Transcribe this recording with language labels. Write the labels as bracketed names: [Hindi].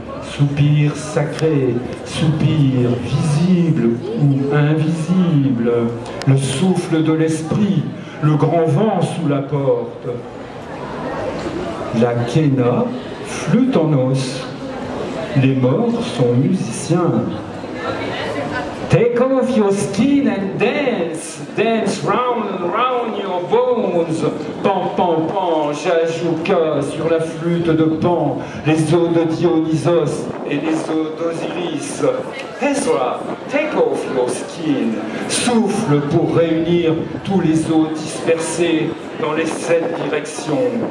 [French] Soupir sacré, soupir visible ou invisible. Le souffle de l'esprit, le grand vent sous la porte. La kéna flûte en os. Les morts sont musiciens. [English] Take off your skin and dance. Dance round and round your bones. [French] Pan, pan, pan, jajouka sur la flûte de Pan, les os de Dionysos et les os d'Osiris. Ezra, [English] take off your skin. [French] Souffle pour réunir tous les os dispersés dans les sept directions.